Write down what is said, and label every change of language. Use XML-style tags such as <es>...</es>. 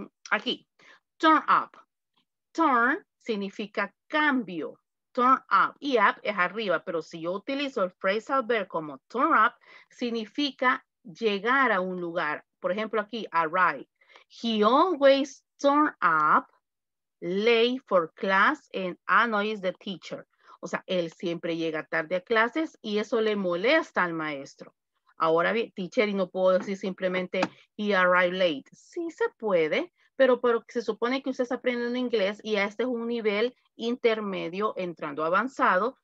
<es>Aquí, turn up. Turn significa cambio. Turn up y up es arriba, pero si yo utilizo el phrasal verb como turn up, significa llegar a un lugar. Por ejemplo, aquí, arrive.</es> <en>He always turn up late for class and annoys the teacher.</en> <es>O sea, él siempre llega tarde a clases y eso le molesta al maestro. Ahora bien, teacher, y no puedo decir simplemente</es> <en>he arrived late.</en> <es>Sí se puede, pero se supone que usted está aprendiendo inglés y a este es un nivel intermedio entrando avanzado.</es>